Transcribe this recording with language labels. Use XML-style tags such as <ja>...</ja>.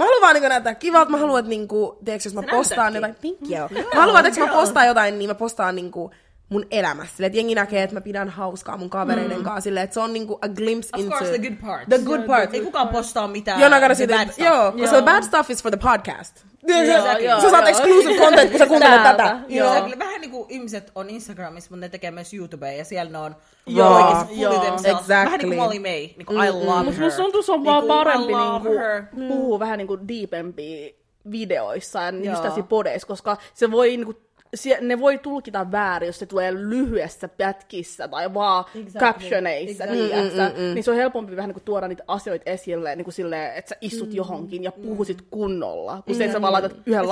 <fi>Mä haluan vaan niinku näyttää kivalta, mä haluan, että niinku, tiedätkö, jos mä postaan jotain,</fi> <en>thank you.</en> <fi>Mä haluan, että jos mä postaan jotain, niin mä postaan niinku... mun elämässä. Silleen, että jengi näkee, että mä pidän hauskaa mun kavereiden kanssa. Silleen, että se on niinku</fi> <en>a glimpse of into... Of course, the good part. The good part.</en> <fi>Ei kukaan postaa mitään.</fi> <en>You're not gonna see the bad stuff.</en> <fi>Joo, koska</fi> <en>the bad stuff is for the podcast.</en> <fi>Sä saat</fi> <en>exclusive content,</en> <fi>kun sä kuuntelet tätä. Vähän niinku ihmiset on Instagramissa, mutta ne tekee myös YouTubea, ja siellä ne on oikeasti</fi> <en>fully exactly.</en> <fi>Vähän niinku Malimania.</fi> <en>Niinku, I love her.</en> <fi>Mutta se on vaan parempi niinku puhua vähän niinku deepempiä videoissa, just tässä podeissa, koska se voi niinku ne voi tulkita väärin, jos se tulee lyhyessä pätkissä tai vaan captioneissa, niin se on helpompi vähän niin kuin tuoda niitä asioita esille, niin kuin silleen, että sä istut johonkin ja puhusit kunnolla, kun sen sä vaan laitat yhden</fi>